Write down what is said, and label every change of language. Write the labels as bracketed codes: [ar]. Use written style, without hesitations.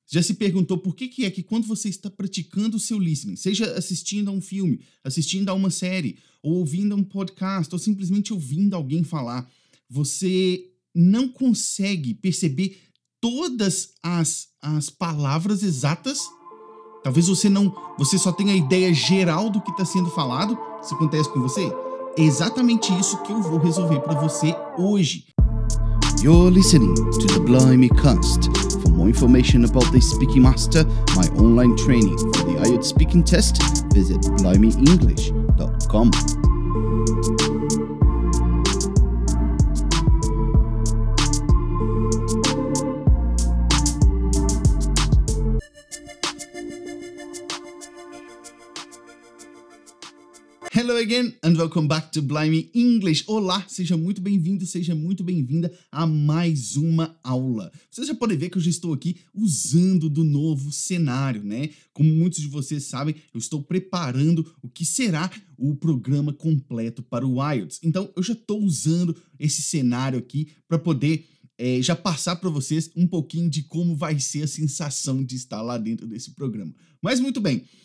[pt] Já se perguntou por que, que é que quando você está praticando o seu listening, seja assistindo a um filme, assistindo a uma série, ou ouvindo a um podcast, ou simplesmente ouvindo alguém falar, você não consegue perceber todas as palavras exatas? Talvez você só tenha a ideia geral do que está sendo falado? Isso acontece com você? É exatamente isso que eu vou resolver para você hoje. [en] You're listening to the Blimeycast. For more information about the Speaking Master, my online training for the IELTS speaking test, visit blimeyenglish.com. Hello again and welcome back to Blimey English. [pt] Olá, seja muito bem-vindo, seja muito bem-vinda a mais uma aula. Vocês já podem ver que eu já estou aqui usando do novo cenário, né? Como muitos de vocês sabem, eu estou preparando o que será o programa completo para o IELTS. Então, eu já estou usando esse cenário aqui para poder já passar para vocês um pouquinho de como vai ser a sensação de estar lá dentro desse programa. Mas muito bem.